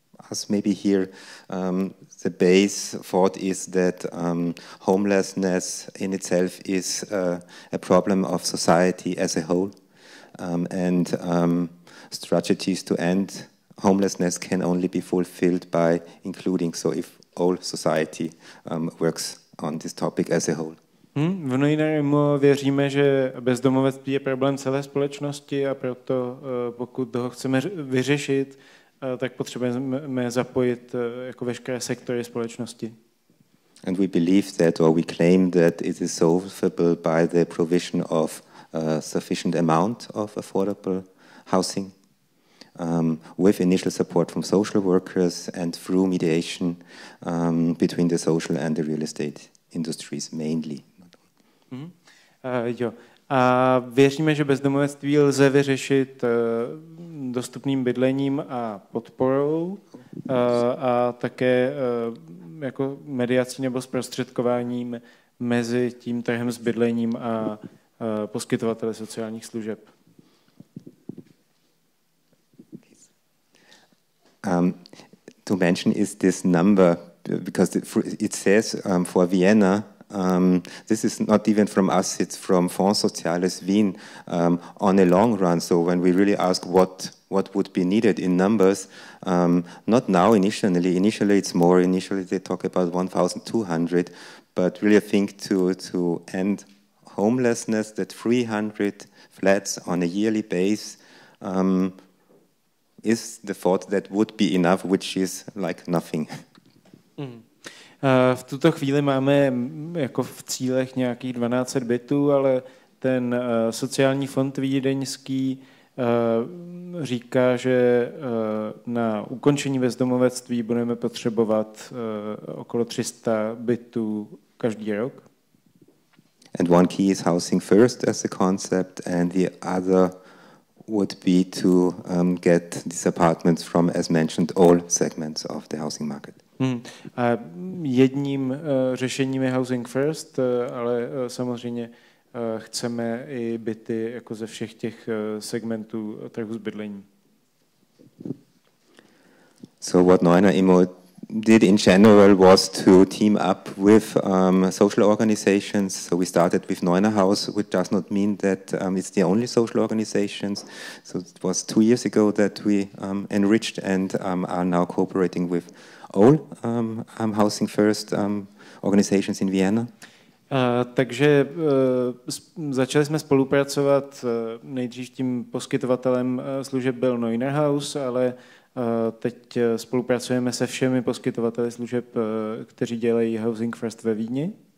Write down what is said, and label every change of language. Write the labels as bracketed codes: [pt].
[en] us maybe here, the base thought is that homelessness in itself is a problem of society as a whole, and strategies to end homelessness can only be fulfilled by including, so if all society works on this topic as a whole. [cs] V Neuner Immo věříme, že bezdomovectví je problém celé společnosti, a proto pokud ho chceme vyřešit, tak potřebujeme zapojit jako veškeré sektory společnosti. [en] And we believe that, or we claim that it is solvable by the provision of a sufficient amount of affordable housing with initial support from social workers and through mediation between the social and the real estate industries mainly. [cs] Jo. A věříme, že bezdomovectví lze vyřešit dostupným bydlením a podporou a také jako mediací nebo zprostředkováním mezi tím trhem s bydlením a poskytovateli sociálních služeb. [en] To mention is this number, because it says for Vienna, this is not even from us, it's from Fonds Sociales Wien on a long run. So when we really ask what would be needed in numbers, not now initially it's more, initially they talk about 1,200, but really I think to end homelessness, that 300 flats on a yearly base is the thought that would be enough, which is like nothing. [cs] V tuto chvíli máme jako v cílech nějakých 1200 bytů, ale ten sociální fond vídeňský říká, že na ukončení bezdomovectví budeme potřebovat okolo 300 bytů každý rok. [en] And one key is housing first as a concept, and the other would be to get these apartments from, as mentioned, all segments of the housing market. [cs] A jedním řešením je housing first, ale samozřejmě chceme i byty jako ze všech těch segmentů trhu s bydlením. [en] So what Neuner Immo did in general was to team up with social organizations. So we started with Neuner House, which does not mean that it's the only social organizations. So it was 2 years ago that we enriched and are now cooperating with all Housing First organizations in Vienna. [cs] Takže začali jsme spolupracovat nejdřív tím poskytovatelem služeb byl Neuner House, ale teď spolupracujeme se všemi poskytovateli služeb, kteří dělají Housing First ve Vídni.